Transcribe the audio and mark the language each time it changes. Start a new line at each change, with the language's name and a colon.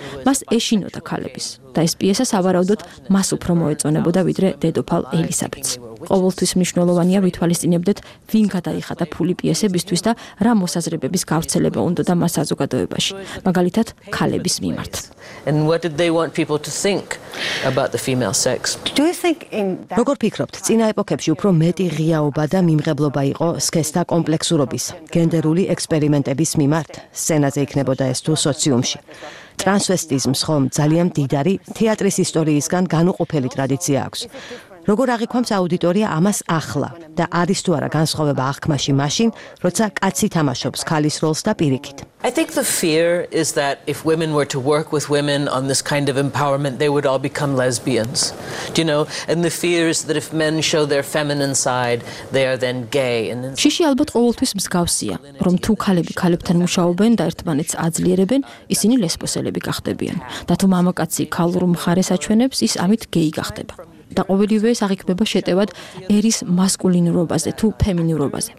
Georgian: მას ეშინოდა ქალების და ეს პიესა სავარაუდოდ მას უფრო მოეწონებოდა ვიდრე დედოფალ ელისაბედს. ყოველთვის მნიშვნელოვანია ვითვალისწინებდეთ, ვინ გადაიხადა ფული პიესებისთვის და რა მოსაზრებების გავრცელება უნდა და მას საზოგადოებაში, მაგალითად ქალების მიმართ.
English: And what did they want people to think about the female sex? Do you think in that?
Georgian: როგორ ფიქრობთ, წინა ეპოქებში უფრო მეტი ღიაობა და მიმღებლობა იყო სქესთა კომპლექსურობის, გენდერული ექსპერიმენტების მიმართ, სცენაზე იქნებოდა ეს თუ სოციუმში? ტრანსვესტიზმს ხომ ძალიან მდიდარი თეატრის ისტორიისგან განუყოფელი ტრადიცია აქვს. როგორ აღიქვამს აუდიტორია ამას ახლა და არის თუ არა განსხვავება აღქმაში მაშინ, როცა კაცი თამაშობს ქალის როლს და პირიქით?
English: I think the fear is that if women were to work with women on this kind of empowerment they would all become lesbians. Do you know? And the fear is that if men show their feminine side they are then gay.
Georgian: შიში ალბათ ყოველთვის მსგავსია, რომ თუ ქალები ქალებთან მუშაობენ და ერთმანეთს აძლიერებენ, ისინი ლესბოსელები გახდებიან. და თუ მამაკაცი ქალურ მხარეს აჩვენებს, ის ამით gay გახდება. და ყოველივე ეს აღიქმება შეტევად ერის მასკულინურობაზე თუ ფემინურობაზე.